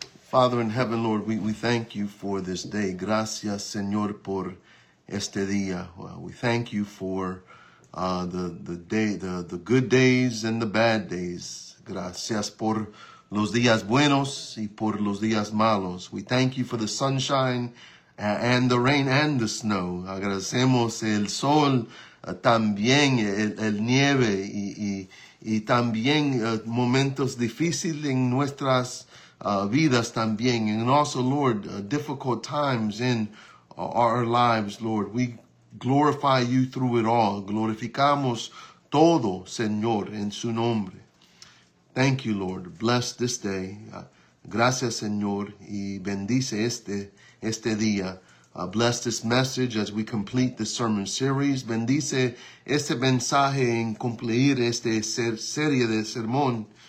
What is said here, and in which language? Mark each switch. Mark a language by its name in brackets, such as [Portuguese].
[English] Father in heaven, Lord, we thank you for this day. [Spanish] Gracias, Señor, por este día. [English] We thank you for the good days and the bad days. [Spanish] Gracias por los días buenos y por los días malos. [English] We thank you for the sunshine and the rain and the snow. [Spanish] Agradecemos el sol, también el nieve y también momentos difíciles en nuestras vidas también. [English] And also, Lord, difficult times in our lives, Lord. We glorify you through it all. [Spanish] Glorificamos todo, Señor, en su nombre. [English] Thank you, Lord. Bless this day. [Spanish] Gracias, Señor, y bendice este día. [English] Bless this message as we complete the sermon series. [Spanish] Bendice este mensaje en cumplir esta serie de sermones.